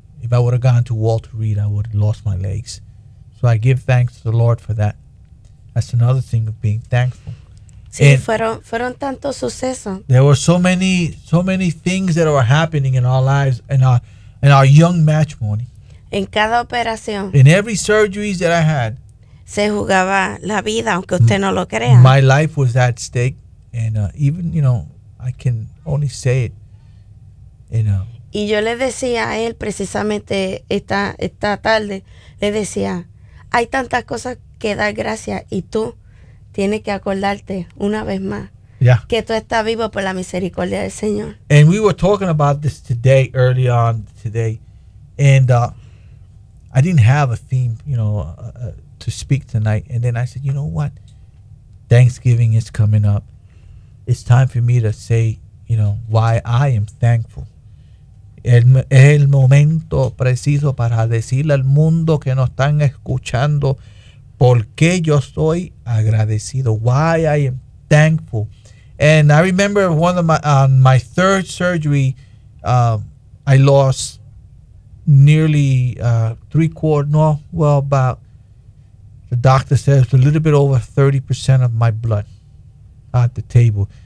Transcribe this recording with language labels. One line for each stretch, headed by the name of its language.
English: If I would have gone to Walter Reed, I would have lost my legs. So I give thanks to the Lord for that. That's another thing of being thankful.
Spanish: Sí, fueron tantos sucesos.
English: There were so many things that were happening in our lives and our young matrimony.
Spanish: En cada operación.
English: In every surgery that I had.
Spanish: Se jugaba la vida, aunque usted no lo crea.
English: My life was at stake, and even you know, I can only say it. You know.
Spanish: Y yo le decía a él precisamente esta tarde, le decía, hay tantas cosas que dar gracias y tú. Tienes que acordarte una vez más que tú estás vivo por la misericordia del Señor.
English: And we were talking about this today, early on today, and I didn't have a theme, you know, to speak tonight. And then I said, you know what? Thanksgiving is coming up. It's time for me to say, you know, why I am thankful.
Spanish: El momento preciso para decirle al mundo que nos están escuchando. ¿Por qué yo soy agradecido?
English: Why I am thankful. And I remember one of my third surgery, I lost nearly three quarters, no, well, about The doctor says a little bit over 30% of my blood at the table.